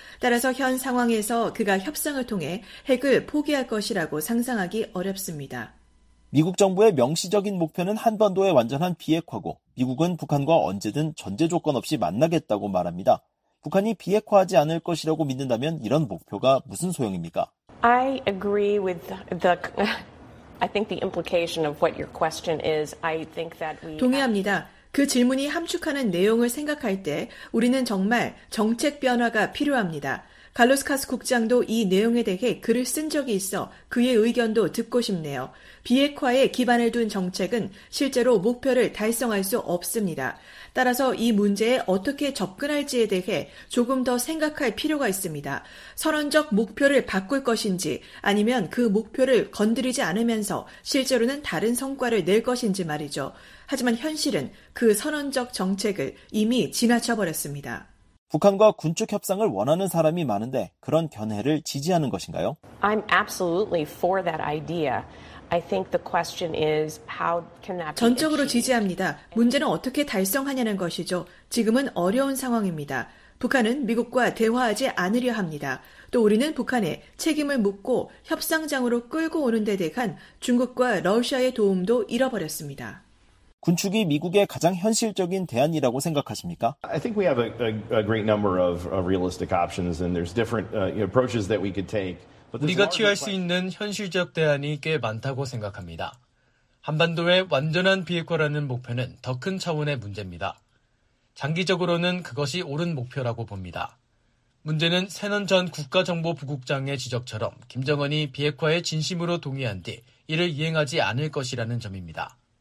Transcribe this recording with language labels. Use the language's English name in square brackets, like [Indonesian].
[Korean] 따라서 현 상황에서 그가 협상을 통해 핵을 포기할 것이라고 상상하기 어렵습니다. 미국 정부의 명시적인 목표는 한반도의 완전한 비핵화고 미국은 북한과 언제든 전제 조건 없이 만나겠다고 말합니다. 북한이 비핵화하지 않을 것이라고 믿는다면 이런 목표가 무슨 소용입니까? [English] I agree with I think the implication of what your question is. I think that we [Korean] 동의합니다. 그 질문이 함축하는 내용을 생각할 때 우리는 정말 정책 변화가 필요합니다. 칼로스 카스 국장도 이 내용에 대해 글을 쓴 적이 있어 그의 의견도 듣고 싶네요. 비핵화에 기반을 둔 정책은 실제로 목표를 달성할 수 없습니다. 따라서 이 문제에 어떻게 접근할지에 대해 조금 더 생각할 필요가 있습니다. 선언적 목표를 바꿀 것인지 아니면 그 목표를 건드리지 않으면서 실제로는 다른 성과를 낼 것인지 말이죠. 하지만 현실은 그 선언적 정책을 이미 지나쳐버렸습니다. 북한과 군축 협상을 원하는 사람이 많은데 그런 견해를 지지하는 것인가요? [English] I'm absolutely for that idea. I think the question is how can that [Korean] 전적으로 지지합니다. 문제는 어떻게 달성하냐는 것이죠. 지금은 어려운 상황입니다. 북한은 미국과 대화하지 않으려 합니다. 또 우리는 북한에 책임을 묻고 협상장으로 끌고 오는 데 대한 중국과 러시아의 도움도 잃어버렸습니다. 군축이 미국의 가장 현실적인 대안이라고 생각하십니까? [English] I think we have a great number of realistic options and there's different approaches that we could take. [Korean] 우리가 취할 수 있는 현실적 대안이 꽤 많다고 생각합니다. 한반도의 완전한 비핵화라는 목표는 더 큰 차원의 문제입니다. 장기적으로는 그것이 옳은 목표라고 봅니다. 문제는 새는 전 국가정보부국장의 지적처럼 김정은이 비핵화에 진심으로 동의한 뒤 이를 이행하지 않을 것이라는 점입니다.